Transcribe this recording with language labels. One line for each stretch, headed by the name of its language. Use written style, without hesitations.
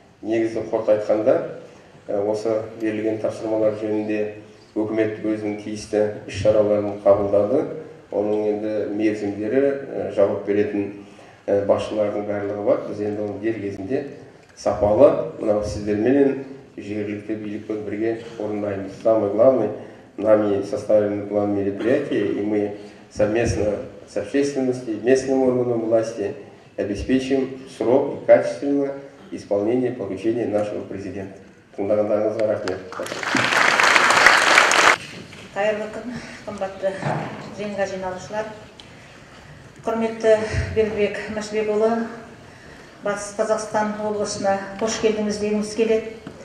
Kazakh: Негізі қорыта айтқанда осы берілген тапсырмалар жөнінде үкімет өзінің тиісті іс-шараларын қабылдады. Оның енді мерзімдері жауап беретін басшылардың барлығы бар. Біз енді оны дер кезінде сапалы мынау сіздерменен жергілікті билікпен бірге орындаймыз.
Russian: Самое главное, нами составлен план мероприятия, и мы совместно с общественностью, местным органом власти обеспечим срок и качественно исполнение поручений нашего президента.
Kazakh: Құндағындарыңызға рахмет. Қайырлы күн, қымбатты жиынға жиналушылар. Құрметті Бердібек Мәшбекұлы, Батыс Қазақстан облысына қош келдіңіз дегіміз келеді.